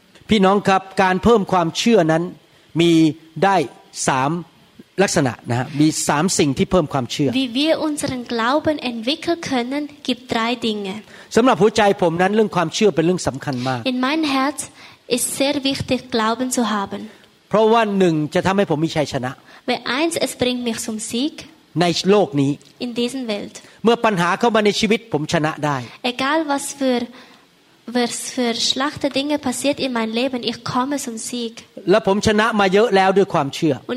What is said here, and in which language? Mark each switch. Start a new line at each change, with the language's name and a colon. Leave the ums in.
Thai: พี่น้องครับ การเพิ่มความเชื่อนั้นมีได้สามลักษณะนะมีสามสิ่งที่เพิ่มความเชื่อ
German: Wie wir unseren Glauben entwickeln können gibt drei Dinge
Thai: สำหรับหัวใจผมนั้นเรื่องความเชื่อเป็นเรื่องสำคัญมาก
German: In mein Herz ist sehr wichtig Glauben zu haben
Thai: เพราะว่าหนึ่งจะทำให้ผมมีชัยชนะ
German: Weil eins es bringt mich zum Sieg
Thai: ในโลกนี้
German: In diesen Welt
Thai: เมื่อปัญหาเข้ามาในชีวิตผมชนะได้
German: Egal was für was für schlechte Dinge passiert in mein Leben ich komme zum Sieg
Thai: และผมชนะมาเยอะแล้วด้วยความเชื่อ